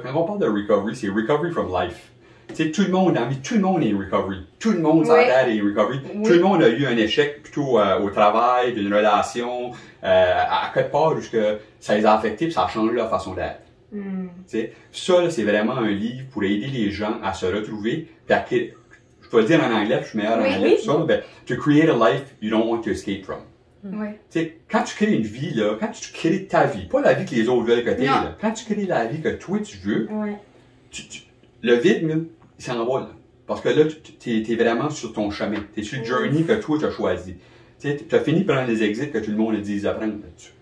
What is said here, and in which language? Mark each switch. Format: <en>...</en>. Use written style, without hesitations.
<fr>Quand on parle de recovery, c'est recovery from life. T'sais, tout le monde, tout le monde est recovery. Tout le monde oui. est recovery. Oui. Tout le monde a eu un échec plutôt au travail, d'une relation, à quelque part, jusque ça les a affectés puis ça a changé leur façon d'être. Mm. T'sais, ça, là, c'est vraiment un livre pour aider les gens à se retrouver. Je peux le dire en anglais, je suis meilleur en anglais. Oui. Ça, ben,</fr> <en>to create a life you don't want to escape from.</en> <fr>Oui. T'sais, quand tu crées une vie, là, quand tu crées ta vie, pas la vie que les autres veulent que tu aies, quand tu crées la vie que toi tu veux, oui. tu le vide, là, il s'en va, là. Parce que là, t'es vraiment sur ton chemin. T'es sur le journey que toi, t'as choisi. T'as fini de prendre les exits que tout le monde a dit à prendre là-dessus.</fr>